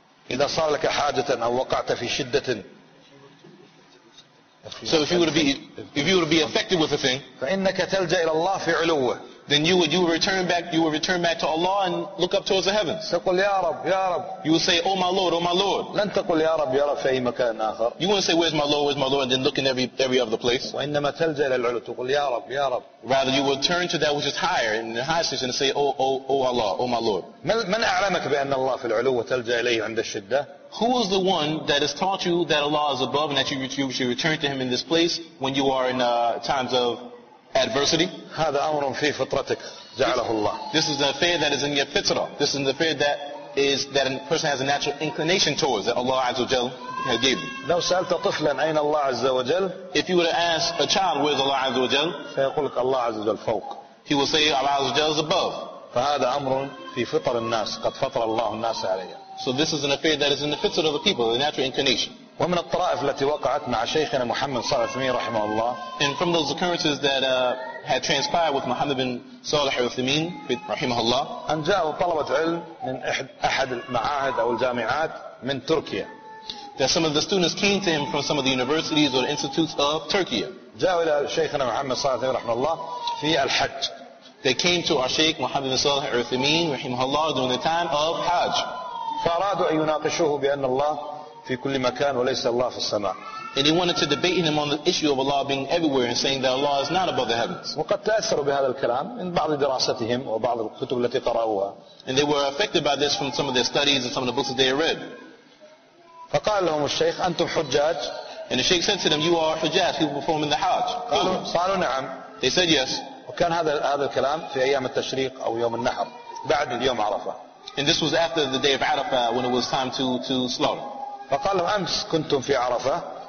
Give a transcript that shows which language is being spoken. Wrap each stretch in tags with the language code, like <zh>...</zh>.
<ar>إذا صار لك حاجة أو وقعت في شدة.</ar> <en>So if you were to be affected with a thing.</en> <ar>فإنك تلجأ إلى الله في علوه.</ar> <en>Then you would return back to Allah and look up towards the heavens.</en> <ar>تقول يا رب يا رب.</ar> <en>You would say, Oh my Lord.</en> <ar>لن تقول يا رب يا رب في أي مكان آخر.</ar> <en>You wouldn't say, Where's my Lord? And then look in every other place.</en> <ar>وإنما تلجأ إلى العلو تقول يا رب يا رب.</ar> <en>Rather you would turn to that which is higher in the highest station and say, Oh Allah, Oh my Lord.</en> <ar>من أعلمك بأن الله في العلو وتلجأ إليه عند الشدة؟</ar> <en>Who is the one that has taught you that Allah is above and that you should return to Him in this place when you are in times of adversity?</en> <ar>هذا أمر في فطرتك جعله الله.</ar> <en>This is an affair that is in your fitrah. This is an affair that a person has a natural inclination towards that Allah عز وجل has given.</en> <ar>لو سألت طفلا أين الله عز وجل؟</ar> <en>If you were to ask a child where is Allah عز وجل؟</en> <ar>سيقول لك الله عز وجل فوق.</ar> <en>He will say Allah عز وجل is above.</en> <ar>فهذا أمر في فطر الناس قد فطر الله الناس عليه.</ar> <en>So this is an affair that is in the fitrah of the people, the natural inclination.</en> <ar>ومن الطرائف التي وقعت مع شيخنا محمد صلى الله عليه وسلم رحمه الله.</ar> <en>And from those occurrences that had transpired with Muhammad bin Salih al-Uthaymeen, رحمه الله.</en> <ar>أن جاءوا طلبة علم من أحد المعاهد أو الجامعات من تركيا.</ar> <en>That some of the students came to him from some of the universities or institutes of Turkey.</en> <ar>جاءوا إلى شيخنا محمد صالح رحمه الله في الحج.</ar> <en>They came to our Sheikh Muhammad bin Salih al-Uthaymeen, رحمه الله, during the time of Hajj.</en> <ar>فأرادوا أن يناقشوه بأن الله في كل مكان وليس الله في السماء.</ar> <en>And he wanted to debate him on the issue of Allah being everywhere and saying that Allah is not above the heavens.</en> <ar>وقد تأثروا بهذا الكلام من بعض دراستهم وبعض الكتب التي قرأوها.</ar> <en>And they were affected by this from some of their studies and some of the books that they read.</en> <ar>فقال لهم الشيخ أنتم حجاج.</ar> <en>And the Sheikh said to them, "You are hujjaj, people performing the Hajj."</en> <ar>قالوا نعم.</ar> <en>They said yes.</en> <ar>وكان هذا الكلام في أيام التشريق أو يوم النحر بعد اليوم عرفة.</ar> <en>And this was after the day of Arafah when it was time to slaughter.</en> <ar>فقال لهم أمس كنتم في عرفة.</ar>